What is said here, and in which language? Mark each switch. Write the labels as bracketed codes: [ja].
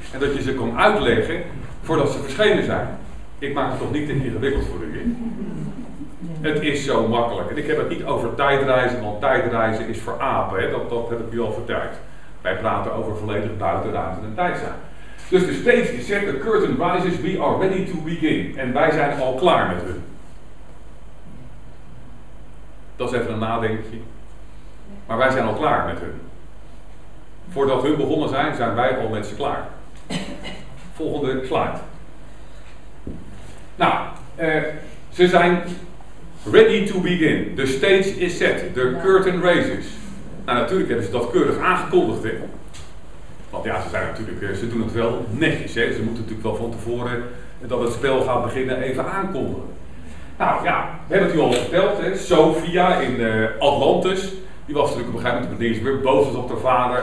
[nl] En dat je ze kan uitleggen voordat ze verschenen zijn. Ik maak het toch niet te ingewikkeld voor u. Nee. Het is zo makkelijk. En ik heb het niet over tijdreizen, want tijdreizen is voor apen. Hè. Dat heb ik u al verteld. Wij praten over volledig buiten ruimte en tijd zijn. Dus de [en] stage is set, the curtain rises, we are ready to begin. [nl] En wij zijn al klaar met hun. Dat is even een nadenkje. Maar wij zijn al klaar met hun. Voordat hun begonnen zijn, zijn wij al met ze klaar. Volgende slide. Nou, ze zijn [en] ready to begin. The stage is set, the curtain raises. [nl] Nou, natuurlijk hebben ze dat keurig aangekondigd. Hè? Want ja, ze zijn natuurlijk, ze doen het wel netjes. Hè? Ze moeten natuurlijk wel van tevoren dat het spel gaat beginnen even aankondigen. Nou ja, we hebben het u al verteld. Hè? Sophia in Atlantis, die was natuurlijk op een gegeven moment, die is weer boos op haar vader.